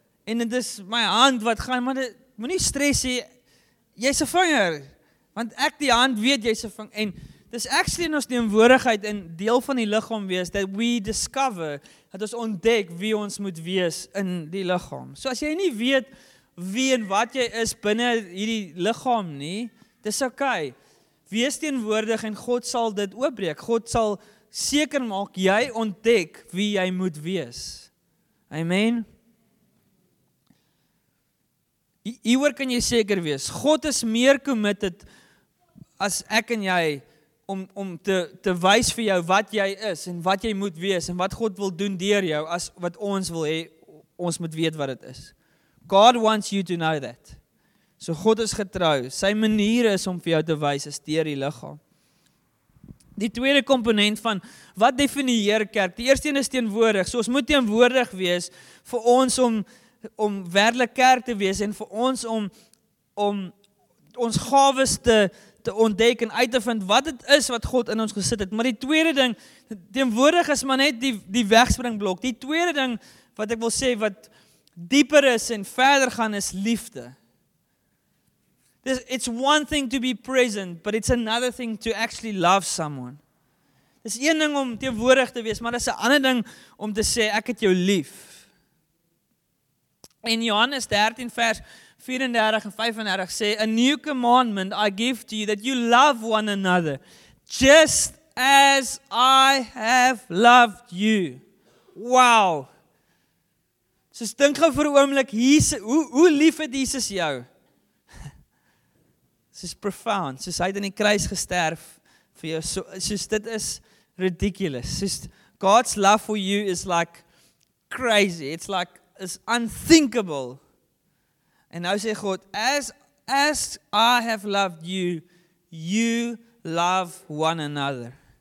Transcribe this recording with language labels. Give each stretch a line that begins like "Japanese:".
Afrikaans: En dit is my hand wat gaan, maar moet nie stress hê. Jy is 'n vinger. Want ek die hand weet jy is 'n vinger. En dis actually in ons teenwoordigheid en deel van die liggaam wees,
English: that we discover,
Afrikaans: dat ons ontdek wie ons moet wees in die liggaam. So as jy nie weet wie en wat jy is binne hierdie liggaam nie, dis okay. Wees teenwoordig en God sal dit oopbreek. God sal seker maak, jy ontdek wie jy moet wees. Amen. Hieroor kan jy seker wees. God is meer committed as ek en jy om te wys vir jou wat jy is en wat jy moet wees en wat God wil doen deur jou as wat ons wil hê ons moet weet wat dit is.
English: God wants you to know that.
Afrikaans: So God is getrou. Sy manier is om vir jou te wys is deur die liggaam. Die tweede komponent van wat definieer kerk? Die eerste een is teenwoordig. So ons moet teenwoordig wees vir ons om werklik kerk te wees en vir ons om ons gawes te ontdek en uit te vind wat dit is wat God in ons gesit het. Maar die tweede ding, teenwoordig is maar net die wegspringblok. Die tweede ding wat ek wil sê wat dieper is en verder gaan is liefde.
English: It's one thing to be present, but it's another thing to actually love someone.
Afrikaans: Dis een ding om teenwoordig te wees, maar dis 'n ander ding om te sê ek het jou lief. In Johannes 13 vers 34 en 35 sê,
English: a new commandment I give to you, that you love one another, just as I have loved you.
Afrikaans: Wow. So stink gauw vir oomlik, hoe lief het Jesus jou?
English: This is profound.
Afrikaans: Soos hy het in die kruis gesterf vir jou. Soos dit is ridiculous.
English: Soos God's love for you is like crazy. It's like, is unthinkable.
Afrikaans: En nou sê God,
English: as I have loved you, you love one another.